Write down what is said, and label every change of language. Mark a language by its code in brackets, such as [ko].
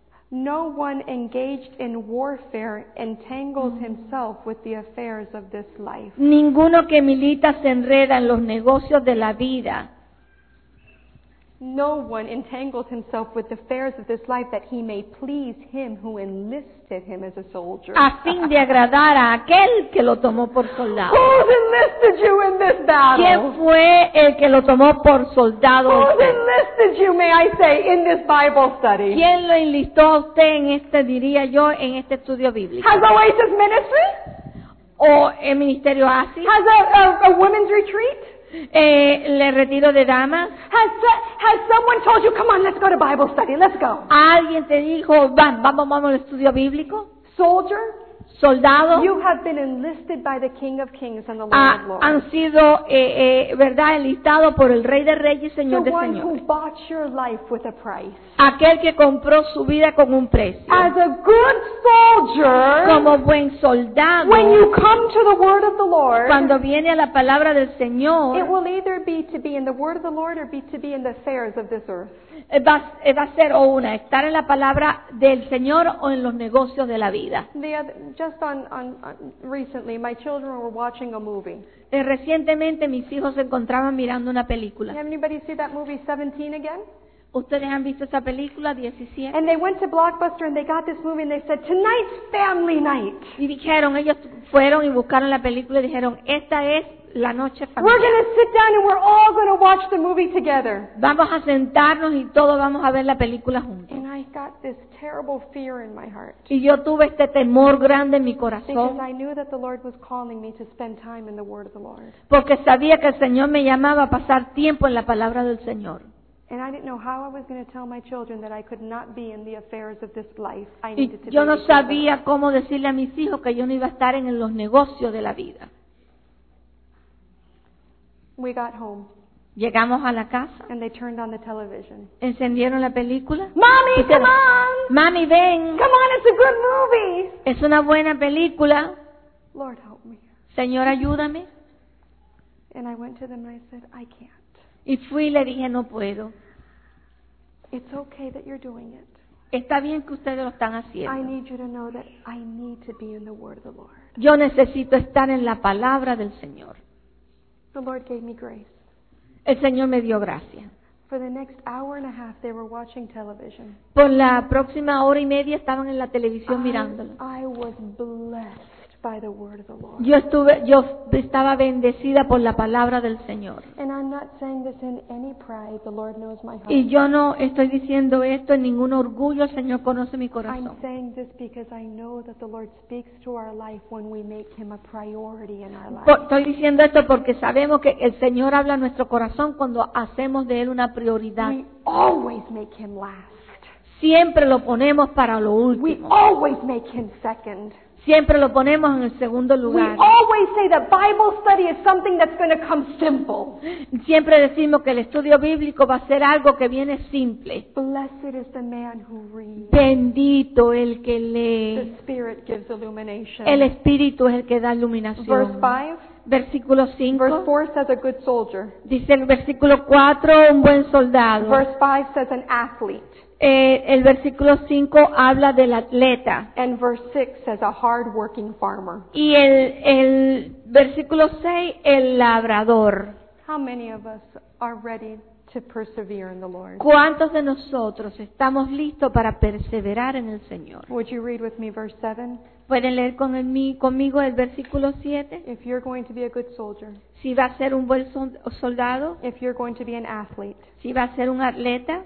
[en] No one engaged in warfare entangles himself with the affairs of this life. [es] Ninguno que milita se enreda en los negocios de la vida. [en] No one entangles himself with the affairs of this life that he may please him who enlisted him as a soldier. [es] A fin de agradar a aquel que lo tomó por soldado. [en] Who's enlisted you in this battle? [es] ¿Quién fue el que lo tomó por soldado? [en] Who's enlisted you, may I say, in this Bible study? [es] ¿Quién lo enlistó a usted en este, diría yo, en este estudio bíblico? [en] Has Oasis Ministry? [es] ¿O el Ministerio Oasis? [en] Has a women's retreat? [es] Le retiro de damas. [en] Has someone told you, come on, let's go to Bible study, let's go? [es] ¿Alguien te dijo, vamos al estudio bíblico? [en] Soldier, [es] soldado. [en] You have been enlisted by the King of Kings and the Lord of Lords. [es] Han sido, verdad, enlistado por el Rey de Reyes, Señor de Señores. [en] The one who bought your life with a price. [es] Aquel que compró su vida con un precio. [en] As a good soldier, [es] como buen soldado, [en] when you come to the word of the Lord, [es] cuando viene a la palabra del Señor, [en] it will either be to be in the word of the Lord or be to be in the affairs of this earth. [es] Va a ser o una, estar en la palabra del Señor o en los negocios de la vida. [en] Just on recently, my children were watching a movie. [es] Recientemente mis hijos se encontraban mirando una película. [en] Anybody see that movie 17 again? [es] ¿Ustedes han visto esa película, 17? [en] And they went to Blockbuster and they got this movie and they said, tonight's family night. [es] Y dijeron, ellos fueron y buscaron la película y dijeron, esta es la noche familiar. [en] We're going to sit down and we're all going to watch the movie together. [es] Vamos a sentarnos y todos vamos a ver la película juntos. [en] And I got this terrible fear in my heart. [es] Y yo tuve este temor grande en mi corazón. [en] Because I knew that the Lord was calling me to spend time in the Word of the Lord. [es] Porque sabía que el Señor me llamaba a pasar tiempo en la palabra del Señor. [en] And I didn't know how I was going to tell my children that I could not be in the affairs of this life. I needed to. [es] Yo no sabía cómo decirle a mis hijos que yo no iba a estar en los negocios de la vida. [en] We got home. [es] Llegamos a la casa. [en] And they turned on the television. [es] Encendieron la película. [en] Mommy, come on. [es] Mami, ven. [en] Come on, it's a good movie. [es] Es una buena película. [en] Lord, help me. [es] Señor, ayúdame. [en] And I went to them and I said, I can't. [es] Y fui y le dije, no puedo. [en] It's okay that you're doing it. [es] Está bien que ustedes lo están haciendo. [en] I need you to know that I need to be in the Word of the Lord. [es] Yo necesito estar en la palabra del Señor. [en] The Lord gave me grace. [es] El Señor me dio gracia. [en] For the next hour and a half, they were watching television. [es] Por la próxima hora y media estaban en la televisión mirándolo. [en] I was blessed. By the word of the Lord. [es] Yo estaba bendecida por la palabra del Señor. [en] And I'm not saying this in any pride. The Lord knows my heart. [es] Y yo no estoy diciendo esto en ningún orgullo. El Señor conoce mi corazón. [en] I'm saying this because I know that the Lord speaks to our life when we make Him a priority in our life. [es] Estoy diciendo esto porque sabemos que el Señor habla a nuestro corazón cuando hacemos de él una prioridad. [en] We always make Him last. [es] Siempre lo ponemos para lo último. [en] We always make Him second. [es] Siempre lo ponemos en el segundo lugar. [en] We always say that Bible study is something that's going to come simple. [es] Siempre decimos que el estudio bíblico va a ser algo que viene simple. [en] Blessed is the man who reads. [es] Bendito el que lee. [en] The Spirit gives illumination. [es] El Espíritu es el que da iluminación. [en] Verse 5. [es] Versículo 5. [en] Verse 4 says a good soldier. [es] Dice el versículo 4, un buen soldado. [en] Verse 5 says an athlete. [es] El versículo 5 habla del atleta. [en] And verse 6 says a hard-working farmer. [es] Y el versículo 6, el labrador. [en] How many of us are ready to persevere in the Lord? [es] ¿Cuántos de nosotros estamos listos para perseverar en el Señor? [en] Would you read with me verse 7? [es] ¿Pueden leer conmigo el versículo 7? [en] If you're going to be a good soldier. [es] Si va a ser un buen soldado. [en] If you're going to be an athlete. [es] Si va a ser un atleta.